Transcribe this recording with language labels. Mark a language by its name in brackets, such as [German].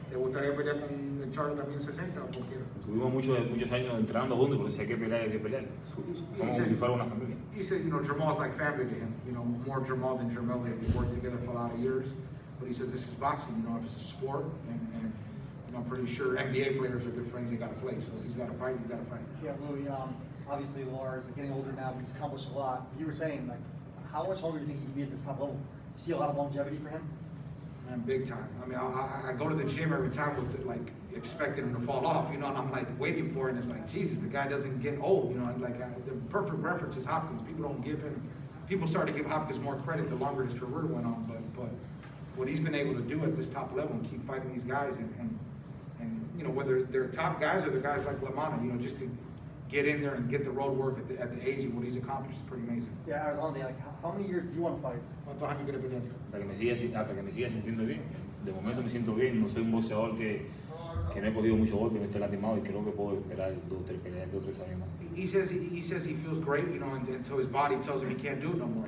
[Spanish] ¿Te gustaría pelear con Charlo también 60 o cualquiera? Tuvimos muchos años entrenando juntos, pero si hay que pelear, hay que pelear. Como si fuera una familia. [English] He said, you know, Jermall's like family to him. You know, more Jermall than Jermell. We've worked together for a lot of years. But he says, this is boxing, you know, if it's a sport. And you know, I'm pretty sure NBA players are good friends. They got to play. So if he's got to fight, he's got to fight. Yeah, Louis, obviously, Lara is getting older now. He's accomplished a lot. You were saying, like, how much longer do you think he can be at this top level? You see a lot of longevity for him? Man, big time. I mean, I go to the gym every time with it, like, expecting him to fall off, you know, and I'm like waiting for it. And it's like, Jesus, the guy doesn't get old, you know, and like the perfect reference is Hopkins. People start to give Hopkins more credit the longer his career went on. But what he's been able to do at this top level and keep fighting these guys and you know, whether they're top guys or they're guys like Lamanna, you know, just to get in there and get the road work at the age of what he's accomplished is pretty amazing. Yeah, Erislandy, like, how many years do you want to fight? [Spanish] ¿Cuántos años quieres pelear? Hasta que me siga sintiendo bien. De momento me siento bien. No soy un boxeador que no he cogido mucho golpe, me estoy lastimado y creo que puedo esperar dos, tres peleas, dos, tres años más. [English] He says he feels great, you know, until his body tells him he can't do it no more.